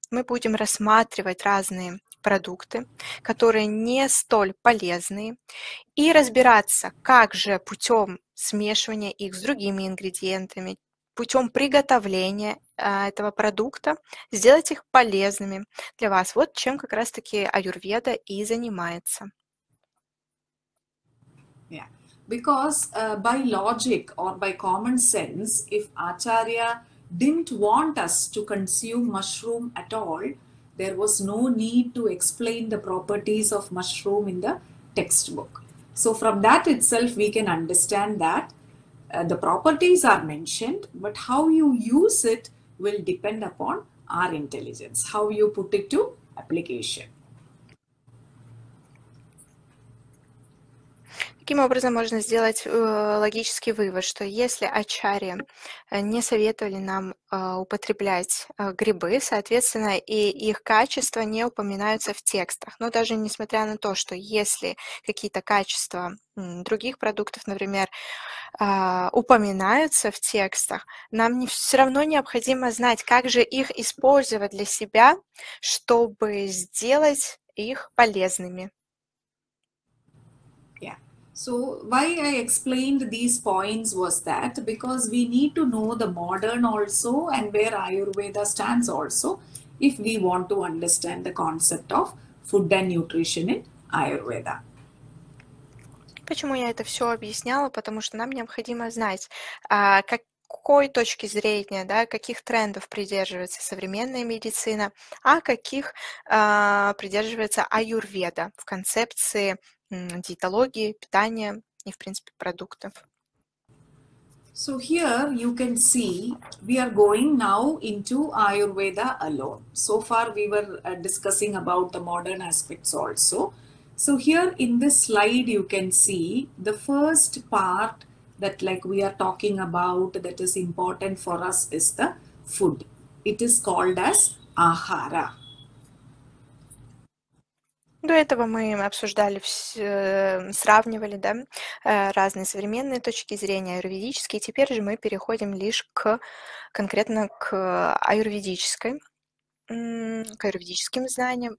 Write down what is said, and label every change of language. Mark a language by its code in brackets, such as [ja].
[ru] Мы будем рассматривать разные продукты, которые не столь полезные, и разбираться, как же путем смешивания их с другими ингредиентами, путем приготовления этого продукта, сделать их полезными для вас. Вот чем как раз-таки аюрведа и занимается. Yeah. [en] Because by logic or by common sense, if Acharya didn't want us to consume mushroom at all, there was no need to explain the properties of mushroom in the textbook. So from that itself, we can understand that the properties are mentioned, but how you use it will depend upon our intelligence, how you put it to application. [ru] Таким образом, можно сделать логический вывод, что если ачарьи не советовали нам употреблять грибы, соответственно, и их качества не упоминаются в текстах. Но даже несмотря на то, что если какие-то качества других продуктов, например, упоминаются в текстах, нам все равно необходимо знать, как же их использовать для себя, чтобы сделать их полезными. [en] So why I explained these points was that because we need to know the modern also and where Ayurveda stands also if we want to understand the concept of food and nutrition in Ayurveda. [ru] Почему я это все объясняла? Потому что нам необходимо знать, какой точки зрения, да, каких трендов придерживается современная медицина, а каких придерживается Аюрведа в концепции диетологии, питания и, в принципе, продуктов. [en] So here you can see we are going now into Ayurveda alone. So far we were discussing about the modern aspects also. So here in this slide you can see the first part that like we are talking about that is important for us is the food. It is called as ahara. [ru] До этого мы обсуждали, сравнивали, да, разные современные точки зрения, аюрведические. Теперь же мы переходим лишь к конкретно к аюрведической, к аюрведическим знаниям.